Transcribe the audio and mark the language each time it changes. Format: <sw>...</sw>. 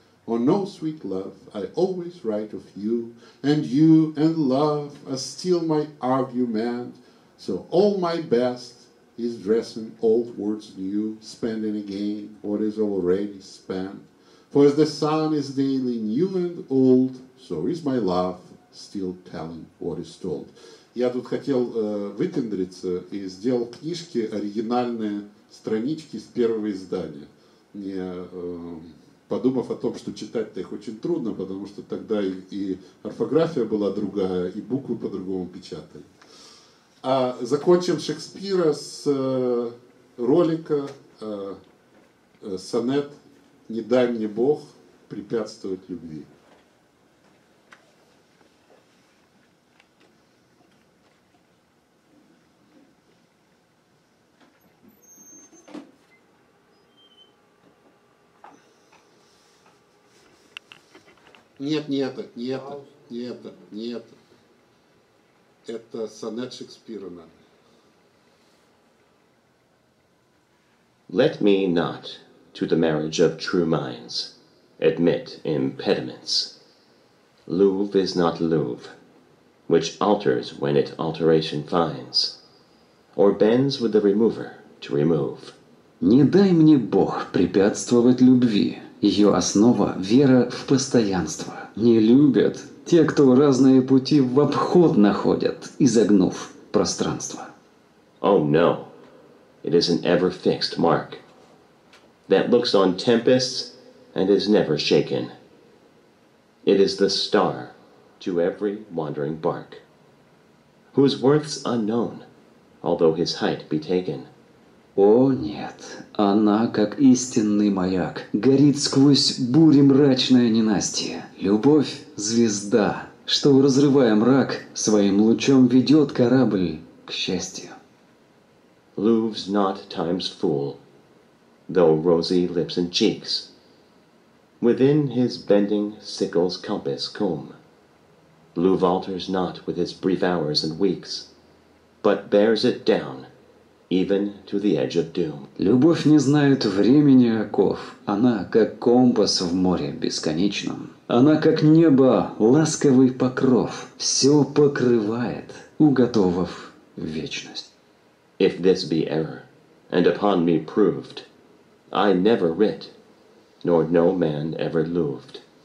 <en>Oh, no, sweet love, I always write of you, and you and love are still my argument. So all my best is dressing old words new, spending again what is already spent. For as the sun is daily new and old, so is my love still telling what is told.</en> <ru>Я тут хотел выпендриться и сделал книжки оригинальные, странички с первого издания, не подумав о том, что читать-то их очень трудно, потому что тогда и орфография была другая, и буквы по-другому печатали. А закончим Шекспира с ролика сонет «Не дай мне Бог препятствовать любви». Нет, не это, не это, не это, не это. Это сонет Шекспира надо.</ru> <en>Let me not to the marriage of true minds admit impediments. Love is not love, which alters when it alteration finds, or bends with the remover to remove.</en> <ru>Не дай мне Бог препятствовать любви. Ее основа – вера в постоянство. Не любят те, кто разные пути в обход находят, изогнув пространство.</ru> <en>Oh, no. It is an ever-fixed mark that looks on tempests and is never shaken. It is the star to every wandering bark, whose worth's unknown, although his height be taken.</en> <ru>О нет, она, как истинный маяк, горит сквозь бури мрачное ненастье. Любовь — звезда, что, разрывая мрак, своим лучом ведет корабль к счастью.</ru> <en>Love's not time's fool, though rosy lips and cheeks, within his bending sickle's compass comb, Luv alters not with his brief hours and weeks, but bears it down, even to the edge of doom.</en> <ru>Любовь не знает времени оков, она как компас в море бесконечном. Она как небо, ласковый покров, все покрывает, уготовав вечность.</ru> <en>If this be error, and upon me proved, I never writ, nor no man ever loved.</en>